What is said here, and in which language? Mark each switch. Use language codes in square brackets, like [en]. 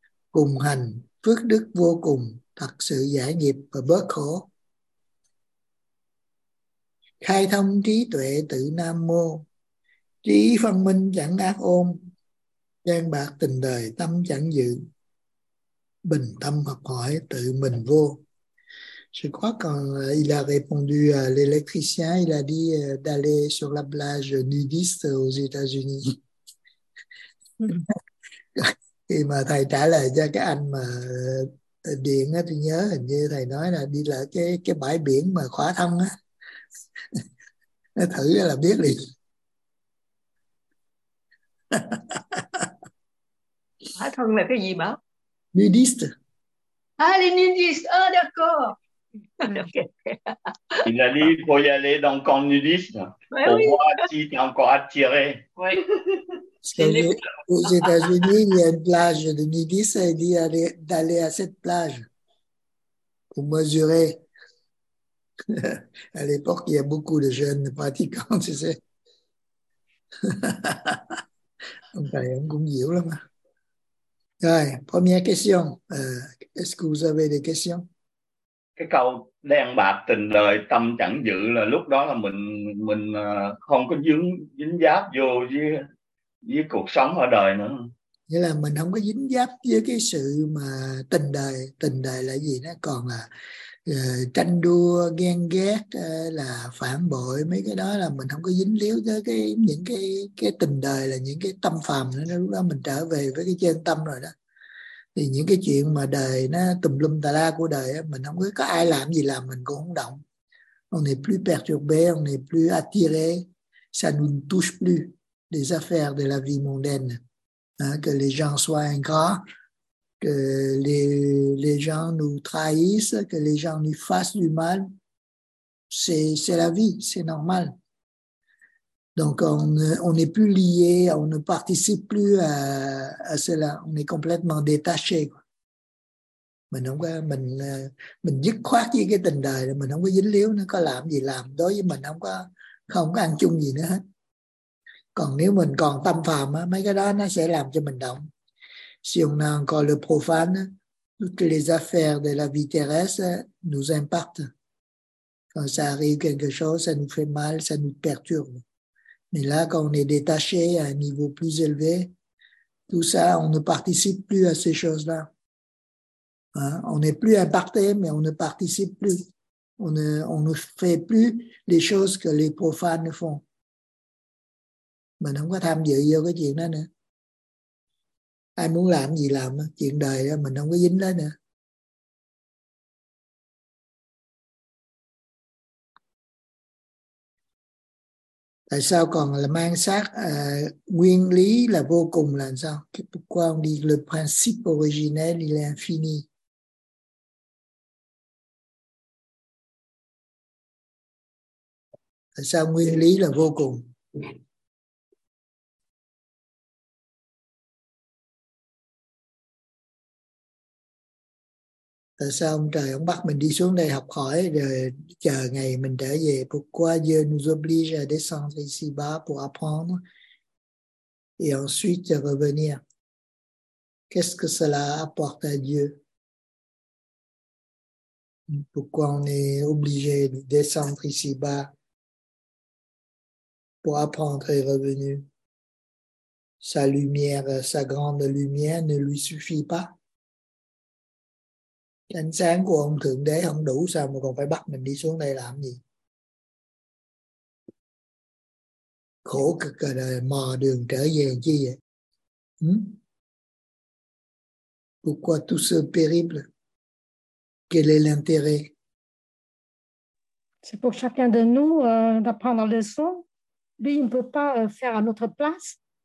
[vi] Cùng hành, phước đức vô cùng, thật sự giải nghiệp và bớt khổ. Khai thông trí tuệ tự nam mô, trí phân minh chẳng ác ôn, gian bạc tình đời tâm chẳng dự, bình tâm học hỏi tự mình vô. [fr] Je crois quand il a répondu à l'électricien, il a dit d'aller sur la plage nudiste aux États-Unis. [vi] Et mà thầy trả lời cho cái anh mà điện á, tôi nhớ hình như thầy nói là đi là cái bãi biển mà khóa thân á, thử là biết liền. Khóa thân là cái gì mà? [fr] Nudiste. Ah, les nudistes. Ah, d'accord. Okay. Il a dit qu'il faut y aller dans le camp nudiste pour oui. voir si tu es encore attiré. Oui. Les... Aux États-Unis, il y a une plage de nudiste. Il dit d'aller à cette plage pour mesurer. À l'époque, il y a beaucoup de jeunes pratiquants, tu sais. Okay, on comprend là. Ouais, première question. Est-ce que vous avez des questions? [vi] Cái câu đen bạc tình đời tâm chẳng dự là lúc đó là mình không có dính giáp vô với cuộc sống ở đời nữa. Nghĩa là mình không có dính giáp với cái sự mà tình đời là gì đó, còn là tranh đua, ghen ghét, là phản bội, mấy cái đó là mình không có dính líu tới những cái tình đời, là những cái tâm phàm nữa. Lúc đó mình trở về với cái chân tâm rồi đó. Thì những cái chuyện mà đời nó tùm lum tà la của đời ấy, mình không có ai làm gì làm mình cũng không động. [fr] On n'est plus perturbé, on n'est plus attiré, ça nous touche plus des affaires de la vie mondaine. Hein, que les gens soient ingrats, que les gens nous trahissent, que les gens nous fassent du mal, c'est la vie, c'est normal. Donc on n'est plus lié, on ne participe plus à cela, on est complètement détaché. [vi] mình không có mình dứt khoát với cái tình đời, mình không có dính líu nữa, có làm gì làm, đối với mình không có ăn chung gì nữa hết. Còn nếu mình còn tâm phàm á, mấy cái đó nó sẽ làm cho mình động. [fr] Si on a encore le profane, toutes les affaires de la vie terrestre nous impactent. Quand ça arrive quelque chose, ça nous fait mal, ça nous perturbe. Mais là, quand on est détaché à un niveau plus élevé, tout ça, on ne participe plus à ces choses-là. Hein? On n'est plus impacté, mais on ne participe plus. On ne fait plus les choses que les profanes font. Mais on n'a pas [vi] tham dự vô cái chuyện đó nữa. Ai muốn làm gì làm, chuyện đời mình không có dính đó nữa. Tại sao còn là mang sát nguyên lý là vô cùng là sao? [fr] Pourquoi on dit le principe originel il est infini? [vi] Tại sao nguyên lý là vô cùng? Tại sao ông trời ông bắt mình đi xuống đây học hỏi rồi chờ ngày mình trở về? [fr] Pourquoi Dieu nous oblige à descendre ici-bas pour apprendre et ensuite de revenir? Qu'est-ce que cela apporte à Dieu? Pourquoi on est obligé de descendre ici-bas pour apprendre et revenir? Sa lumière, sa grande lumière ne lui suffit pas. [vi] Ánh sáng của ông Thượng Đế không đủ sao mà còn phải bắt mình đi xuống đây làm gì? Khổ cực cả đời, mò đường trở về chi vậy? [fr] Pourquoi tout ce périple? Quel est l'intérêt? C'est pour chacun de nous d'apprendre la leçon. Lui, il ne peut pas faire à notre place.